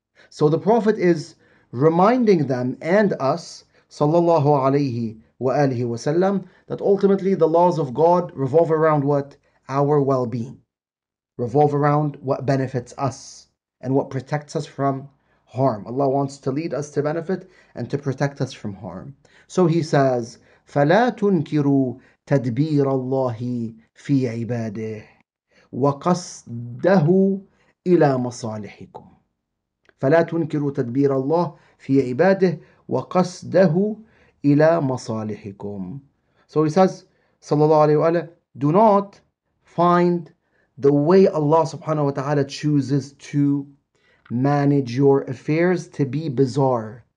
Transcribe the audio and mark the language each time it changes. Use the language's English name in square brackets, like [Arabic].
[English] So the Prophet is reminding them and us, sallallahu alaihi wa alihi wa sallam, that ultimately the laws of God revolve around what? Our well-being. Revolve around what benefits us and what protects us from harm. Allah wants to lead us to benefit and to protect us from harm. So he says, [Arabic] فَلَا تُنْكِرُوا تَدْبِيرَ اللَّهِ فِي عِبَادِهِ وَقَصْدَهُ إِلَى مَصَالِحِكُمْ. فَلَا تُنْكِرُوا تَدْبِيرَ اللَّهِ فِي عِبَادِهِ وَقَصْدَهُ إِلَى مَصَالِحِكُمْ. [English] So he says, sallallahu alayhi wa alayhi, do not find the way Allah subhanahu wa ta'ala chooses to manage your affairs to be bizarre.